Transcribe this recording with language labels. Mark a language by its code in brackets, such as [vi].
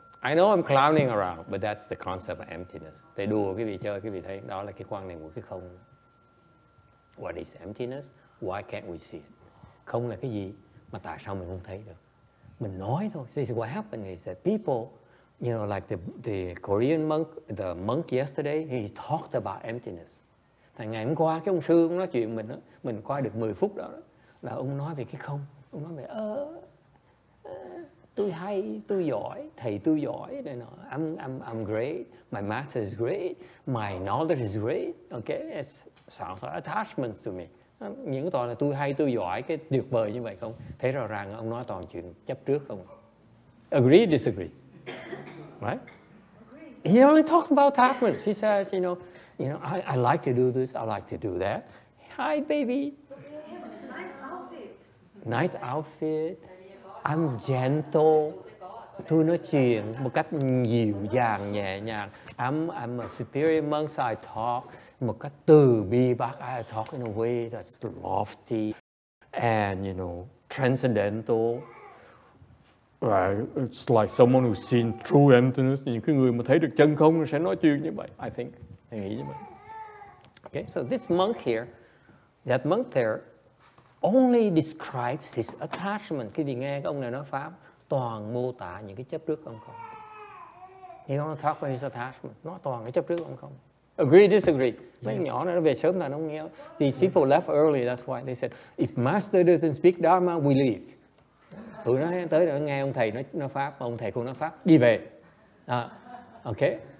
[en] I know I'm clowning around, but that's the concept of emptiness. [vi] They đùa quý vị chơi, quý vị thấy đó là cái quan niệm của cái không. [en] What is emptiness? Why can't we see it? [vi] Không là cái gì mà tại sao mình không thấy được? Mình nói thôi. [en] This is what happened is that people, you know, like the Korean monk, the monk yesterday, he talked about emptiness. [vi] Thằng ngày hôm qua cái ông sư ông nói chuyện mình đó, mình qua được 10 phút đó, là ông nói về cái không. Ông nói về tôi hay, tôi giỏi, [en] thầy tôi giỏi, you know, I'm great, my math is great, my knowledge is great, okay, it sounds like attachments to me. [vi] Những toàn là tôi hay, tôi giỏi, cái tuyệt vời như vậy không? Thấy rõ ràng ông nói toàn chuyện chấp trước không? [en] Agree, disagree, right? He only talks about attachments. He says, you know, I like to do this, I like to do that. Hi, baby. Nice outfit. I'm gentle. [vi] Tôi nói chuyện một cách dịu dàng, nhẹ nhàng. [en] I'm a superior monk, so I talk [vi] một cách từ bi bác. [en] I talk in a way that's lofty and, you know, transcendental. Right? It's like someone who's seen true emptiness. [vi] Những cái người mà thấy được chân không sẽ nói chuyện như vậy, [en] I think. [vi] Thầy nghĩ như vậy. [en] Okay, so this monk here, that monk there, only describes his attachment. [vi] Khi vì nghe cái ông này nói pháp, toàn mô tả những cái chấp trước ông không. [en] He only talks about his attachment. [vi] Nó toàn cái chấp trước ông không. [en] Agree, disagree. Yeah. [vi] Mấy nhỏ này nó về sớm là nó nghe. [en] These people left early, that's why they said, if master doesn't speak Dharma, we leave. [vi] Tụi nó tới rồi nghe ông thầy nói pháp, ông thầy không nói pháp, đi về. Okay?